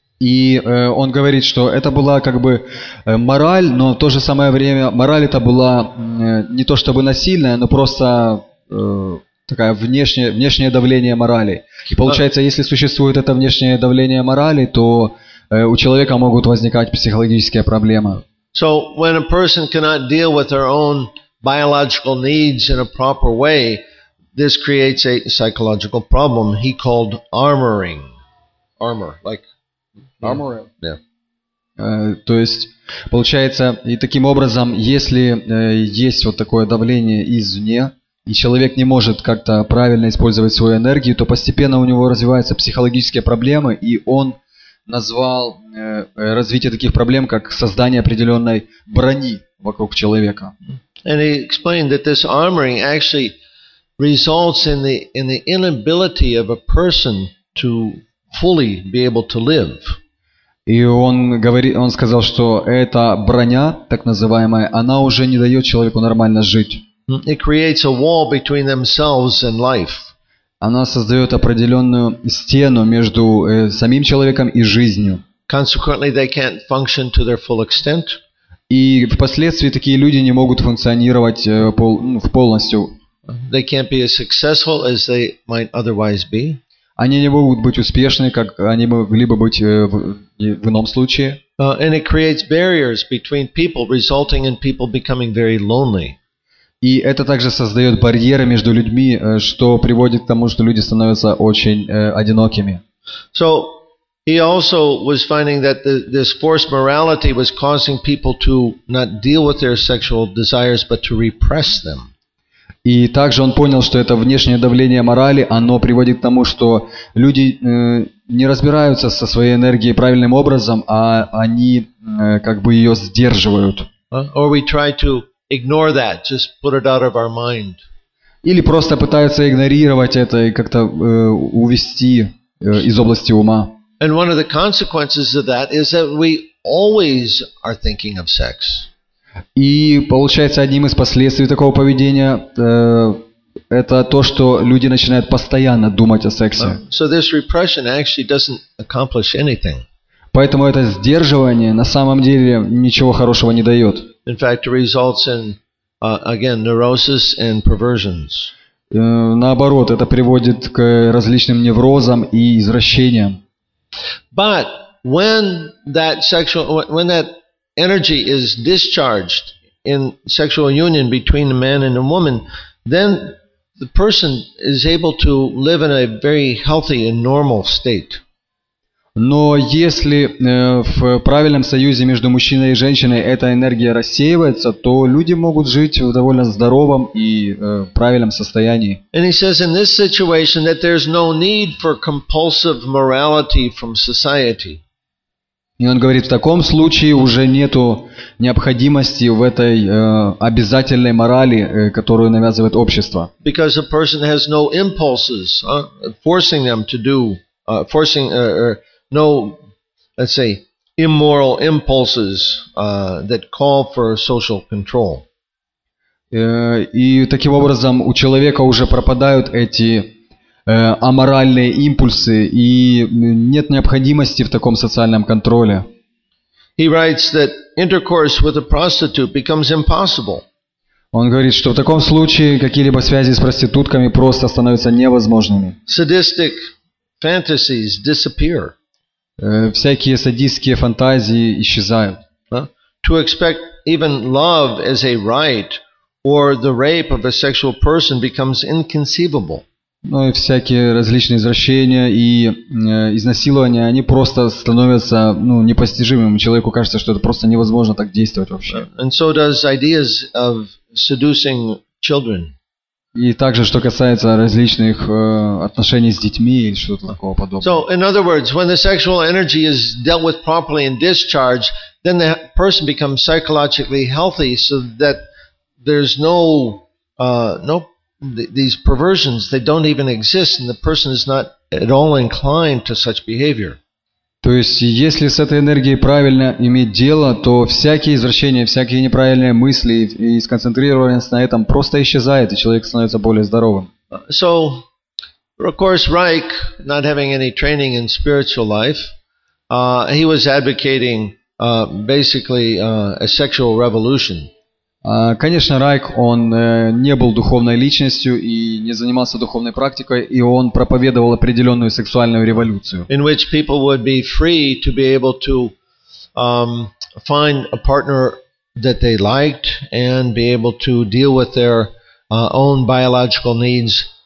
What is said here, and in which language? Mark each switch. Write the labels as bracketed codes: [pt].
[ru] И он говорит, что это была как бы мораль, но в то же самое время мораль это была не то чтобы насильная, но просто такая внешнее давление морали. И получается, если существует это внешнее давление морали, то у человека могут возникать психологические проблемы. [en] So when a person cannot deal with their own biological needs in a proper way, This creates a psychological problem he called armoring. Armor, like armor. Yeah. [ru] То есть, получается, и таким образом, если есть вот такое давление извне, и человек не может как-то правильно использовать свою энергию, то постепенно у него развиваются психологические проблемы, и он назвал развитие таких проблем как создание определенной брони вокруг человека. [en] And he explained that this armoring actually results in the inability of a person to fully be able to live. [ru] И он сказал, что эта броня, так называемая, она уже не дает человеку нормально жить. [en] It creates a wall between themselves and life. [ru] Она создает определенную стену между самим человеком и жизнью. [en] Consequently, they can't function to their full extent. [ru] И впоследствии такие люди не могут функционировать в полностью. [en] They can't be as successful as they might otherwise be. [ru] Они не могут быть успешны, как они могли бы быть в ином случае. [en] And it creates barriers between people, resulting in people becoming very lonely. [ru] И это также создает барьеры между людьми, что приводит к тому, что люди становятся очень одинокими. [en] So he also was finding that this forced morality was causing people to not deal with their sexual desires, but to repress them. [ru] И также он понял, что это внешнее давление морали, оно приводит к тому, что люди не разбираются со своей энергией правильным образом, а они как бы ее сдерживают. [en] Or we try to ignore that, just put it out of our mind. [ru] Или просто пытаются игнорировать это и как-то увести из области ума. [en] And one of the consequences of that is that we always are thinking of sex. [ru] И получается, одним из последствий такого поведения это то, что люди начинают постоянно думать о сексе. [en] So this repression actually doesn't accomplish anything. [ru] Поэтому это сдерживание на самом деле ничего хорошего не дает. [en] In fact, it results in, again, neurosis and perversions. [ru] Наоборот, это приводит к различным неврозам и извращениям. [en] But when that energy is discharged in sexual union between a man and a woman, then the person is able to live in a very healthy and normal state. [ru] Но если в правильном союзе между мужчиной и женщиной эта энергия рассеивается, то люди могут жить в довольно здоровом и правильном состоянии. [en] And he says in this situation that there's no need for compulsive morality from society. [ru] И он говорит, в таком случае уже нету необходимости в этой обязательной морали, которую навязывает общество. [en] Because a person has no impulses, forcing them to do, forcing, no, let's say, immoral impulses that call for social control. [ru] И таким образом у человека уже пропадают эти аморальные импульсы, и нет необходимости в таком социальном контроле. [en] He writes that intercourse with a prostitute becomes impossible. [ru] Он говорит, что в таком случае какие-либо связи с проститутками просто становятся невозможными. [en] Sadistic fantasies disappear. [ru] Всякие садистские фантазии исчезают. [en] To expect even love as a right or the rape of a sexual person becomes inconceivable. [ru] Ну и всякие различные извращения и изнасилования, они просто становятся непостижимыми. Человеку кажется, что это просто невозможно так действовать вообще. [en] And so does ideas of seducing children. [ru] И также, что касается различных отношений с детьми или что-то такого подобного. [en] So, in other words, when the sexual energy is dealt with properly and discharged, then the person becomes psychologically healthy so that there's no these perversions, they don't even exist, and the person is not at all inclined to such behavior. [ru] То есть, если с этой энергией правильно иметь дело, то всякие извращения, всякие неправильные мысли и сконцентрированность на этом просто исчезает, и человек становится более здоровым. [en] So, of course, Reich, not having any training in spiritual life, he was advocating basically a sexual revolution. [ru] Конечно, Райх, он не был духовной личностью и не занимался духовной практикой, и он проповедовал определенную сексуальную революцию. [en] In which people would be free to be able to find a partner that they liked and be able to deal with their own biological needs